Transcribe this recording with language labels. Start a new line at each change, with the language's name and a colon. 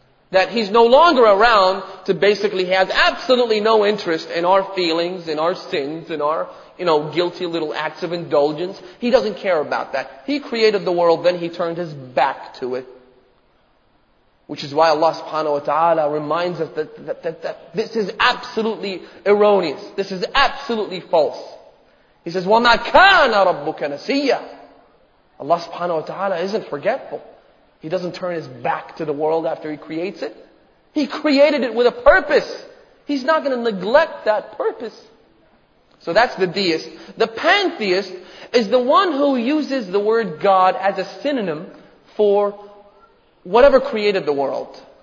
English: That he's no longer around to basically have absolutely no interest in our feelings, in our sins, in our, you know, guilty little acts of indulgence. He doesn't care about that. He created the world, then he turned his back to it. Which is why Allah subhanahu wa ta'ala reminds us that this is absolutely erroneous. This is absolutely false. He says,
Arabic: وَمَا كَانَ رَبُّكَ نَسِيًّا.
English: Allah subhanahu wa ta'ala isn't forgetful. He doesn't turn his back to the world after he creates it. He created it with a purpose. He's not going to neglect that purpose. So that's the deist. The pantheist is the one who uses the word God as a synonym for whatever created the world.